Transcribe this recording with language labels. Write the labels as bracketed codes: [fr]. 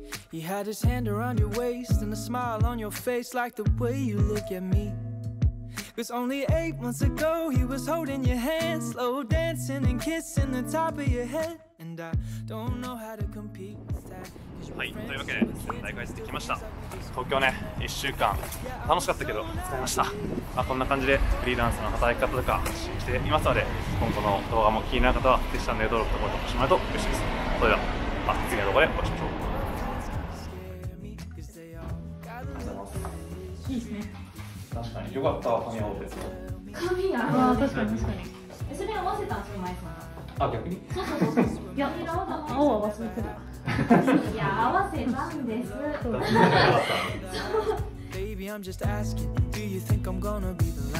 [en] He had his hand around your waist and a smile on your face like the way you look at me. It was only 8 months ago he was holding your hand, slow dancing and kissing the top of your head. And I don't know how to compete with that. [ja] はい、というわけで大会してきました。東京ね、1週間楽しかったけど疲れました、まあ、こんな感じでフリーランスの働き方とか発信していますので、今後の動画も気になる方はぜひチャンネル登録と高評価してもらえると嬉しいです。それでは、まあ、次の動画でお会いしましょう。ありがとうございます。いいですね。確かに、よかった、髪青です。髪青、確かに確かに。それ合わせたんですよ、前さん。あ、逆に。そう髪青だった。青は忘れてた。いや、合わせたんです。そう、そう。 [en] Baby, I'm just asking, do you think I'm gonna be the